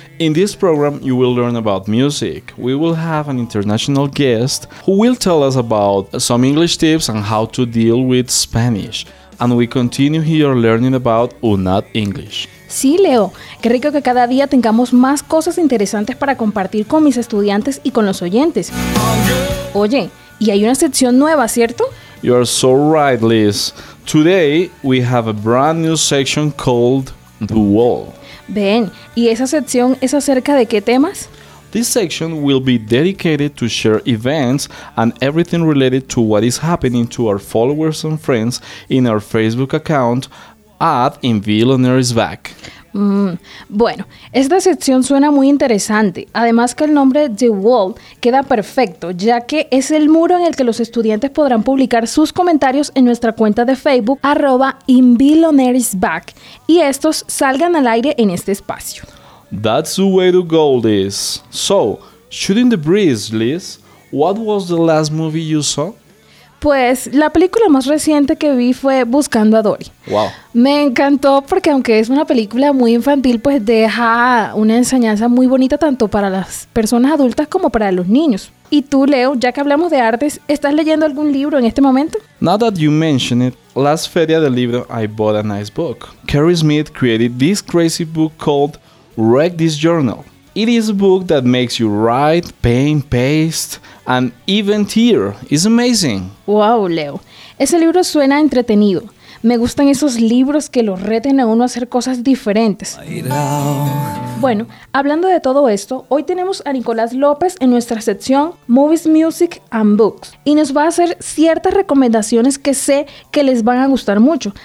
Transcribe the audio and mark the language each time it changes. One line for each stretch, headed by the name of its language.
English: In this program, you will learn about music. We will have an international guest who will tell us about some English tips and how to deal with Spanish. And we continue here learning about UNAD English.
Spanish: Sí, Leo. Qué rico que cada día tengamos más cosas interesantes para compartir con mis estudiantes y con los oyentes. Oye, y hay una sección nueva, ¿cierto?
English: You are so right, Liz. Today we have a brand new section called The Wall.
Spanish: Ven, ¿y esa sección es acerca de qué temas?
English: This section will be dedicated to share events and everything related to what is happening to our followers and friends in our Facebook account at In Villoner is Back.
Spanish: Bueno, esta sección suena muy interesante, además que el nombre The Wall queda perfecto, ya que es el muro en el que los estudiantes podrán publicar sus comentarios en nuestra cuenta de Facebook, arroba In Villoner is Back, y estos salgan al aire en este espacio.
English: That's the way to go, Liz. So, shooting the breeze, Liz, what was the last movie you saw?
Spanish: Pues, la película más reciente que vi fue Buscando a Dory.
English: Wow.
Spanish: Me encantó porque aunque es una película muy infantil, pues deja una enseñanza muy bonita tanto para las personas adultas como para los niños. Y tú, Leo, ya que hablamos de artes, ¿estás leyendo algún libro en este momento?
English: Now that you mention it, last Feria del Libro I bought a nice book. Kerry Smith created this crazy book called Wreck This Journal. It is a book that makes you write, paint, paste, and even tear. It's amazing. Wow, Leo.
Spanish: Ese libro suena entretenido. Me gustan esos libros que lo reten a uno a hacer cosas diferentes. Bueno, hablando de todo esto, hoy tenemos a Nicolás López en nuestra sección Movies, Music and Books. Y nos va a hacer ciertas recomendaciones que sé que les van a gustar mucho.